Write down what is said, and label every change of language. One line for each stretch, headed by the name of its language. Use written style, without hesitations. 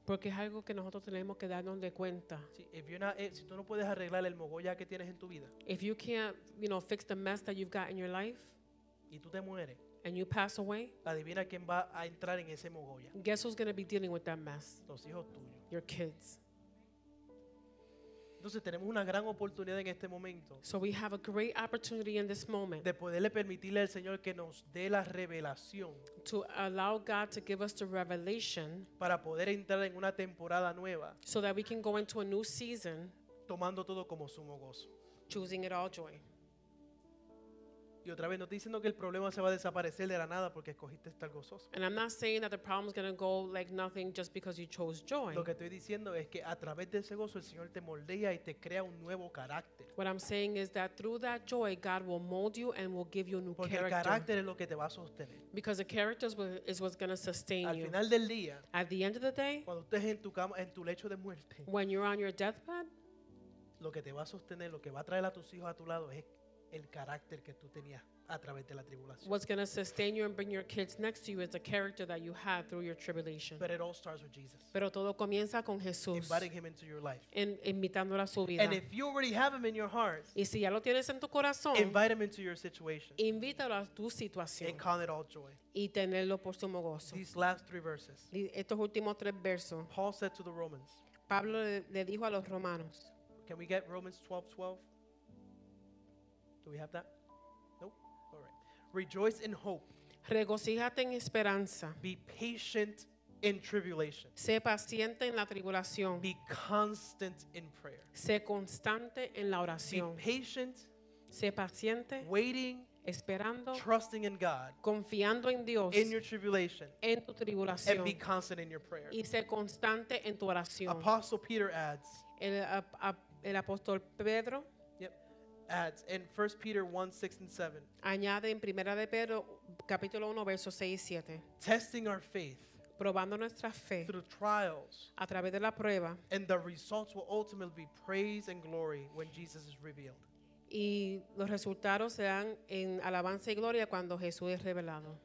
Spanish: Porque es algo que nosotros tenemos que darnos de cuenta. Si tú no puedes arreglar el mogolla que tienes en tu vida,
English: if you can't, you know, fix the mess that you've got in your life,
Spanish: y tú te mueres,
English: and you pass away,
Spanish: adivina quién va a entrar en ese mogolla.
English: Guess who's going to be dealing with that mess?
Spanish: Los hijos tuyos.
English: Your kids.
Spanish: Entonces tenemos una gran oportunidad en este momento.
English: So we have a great opportunity in this moment.
Spanish: De poderle permitirle al Señor que nos dé la revelación.
English: To allow God to give us the revelation.
Spanish: Para poder entrar en una temporada nueva.
English: So that we can go into a new season.
Spanish: Tomando todo como sumo gozo.
English: Choosing it all joy.
Spanish: Y otra vez no estoy diciendo que el problema se va a desaparecer de la nada porque escogiste estar gozoso.
English: And I'm not saying that the problem is going to go like nothing just because you chose joy.
Spanish: Lo que estoy diciendo es que a través de ese gozo el Señor te moldea y te crea un nuevo carácter.
English: What I'm saying is that through that joy God will mold you and will give you a new
Spanish: porque
English: character.
Spanish: Porque el carácter es lo que te va a sostener.
English: Because the character is what's going to sustain
Spanish: al
English: you.
Spanish: Al final del día,
English: at the end of the day,
Spanish: cuando estés en tu cama, en tu lecho de muerte,
English: when you're on your deathbed,
Spanish: lo que te va a sostener, lo que va a traer a tus hijos a tu lado es el carácter que tú tenías a través de la tribulación.
English: What's going to sustain you and bring your kids next to you is the character that you had through your tribulation. But it all starts with Jesus.
Spanish: Pero todo comienza con Jesús.
English: Inviting him into your life.
Spanish: Invitándolo a su vida.
English: And if you already have him in your heart,
Spanish: y si ya lo tienes en tu corazón,
English: invite him into your situation.
Spanish: Invítalo a tu situación.
English: And count it all joy.
Spanish: Y tenerlo por sumo gozo.
English: These last three verses.
Spanish: Estos últimos tres versos.
English: Paul said to the Romans.
Spanish: Pablo le dijo a los romanos.
English: Can we get Romans 12:12? Do we have that? Nope. All right. Rejoice in hope.
Spanish: Regocíjate en esperanza.
English: Be patient in tribulation.
Spanish: Sé paciente en la tribulación.
English: Be constant in prayer.
Spanish: Sé constante en la oración.
English: Be patient.
Spanish: Sé paciente.
English: Waiting.
Spanish: Esperando.
English: Trusting in God.
Spanish: Confiando en Dios.
English: In your tribulation.
Spanish: En tu tribulación.
English: And be constant in your prayer.
Spanish: Y sé constante en tu oración.
English: Apostle Peter adds.
Spanish: El apóstol Pedro.
English: Adds in 1 Peter 1:6 and 7.
Spanish: Añade en Primera de Pedro capítulo 1 verso 6 y 7.
English: Testing our faith.
Spanish: probando nuestra fe,
English: through trials,
Spanish: a través de la prueba,
English: and the results will ultimately be praise and glory when Jesus is revealed.
Spanish: Y los resultados serán en alabanza y gloria cuando Jesús es revelado.